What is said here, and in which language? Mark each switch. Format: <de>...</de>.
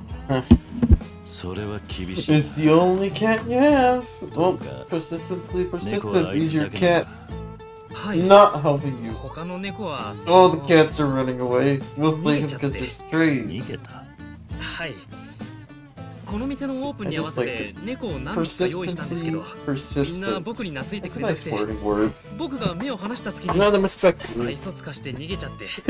<ja>うちのナンバーワンキャットのブリトニーちゃんです。ブリトニーちゃん。さあ、ブリトニーちゃん、おいで。カム、カム。あれれ。お前、全然飼い慣らせてないじゃねえか。はい、猫は大大好きなんですけどね。なぜか猫からは好かれなくて。それは厳しい。 It's</ja> <en>the only cat you have. Well, persistently persistent is your cat not helping you. Oh, the cats are running away. We'll leave them because they're strays.</en> <ja>はい。この店のオープンに合わせて猫を何匹か用意したんですけど、みんな僕に懐いてくれなくて、僕が目を離した隙に愛想つかして逃げちゃって</ja>